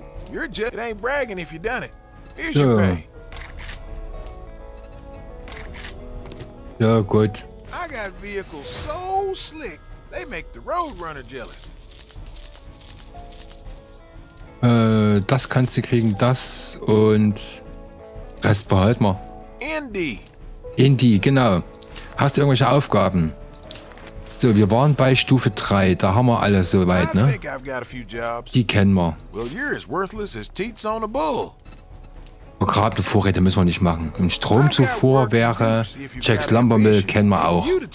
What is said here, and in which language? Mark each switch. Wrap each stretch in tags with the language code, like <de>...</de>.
<en>Your jet ain't bragging if you done it. Here's your pay.</en> <de>Ja, gut.</de> <en>I got vehicles so slick, they make the Roadrunner jealous.</en> <de>Das kannst du kriegen, das und Rest behalten wir. Indy, genau. Hast du irgendwelche Aufgaben? So, wir waren bei Stufe 3, da haben wir alle soweit, ne? Die kennen wir.</de> <en>Well, you're as worthless as teats on a bull.</en> <de>Begrabene Vorräte müssen wir nicht machen. Ein Stromzufuhr wäre Jack's Lumbermill, kennen wir auch.</de>